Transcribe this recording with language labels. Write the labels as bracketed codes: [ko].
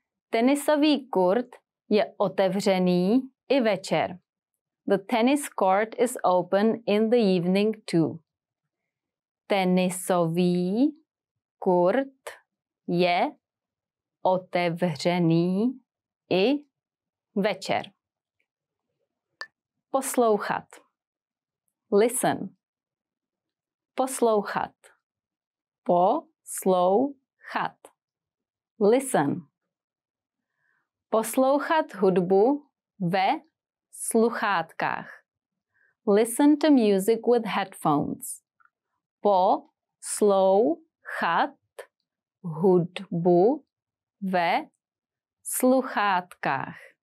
[cs] Tenisový kurt je otevřený i večer. [en] The tennis court is open in the evening too. [cs] Tenisový kurt je otevřený i večer. Poslouchat. Listen. Poslouchat. Poslouchat. Listen. Poslouchat hudbu ve sluchátkách. [en] Listen to music with headphones. [cs] Poslouchat hudbu ve sluchátkách.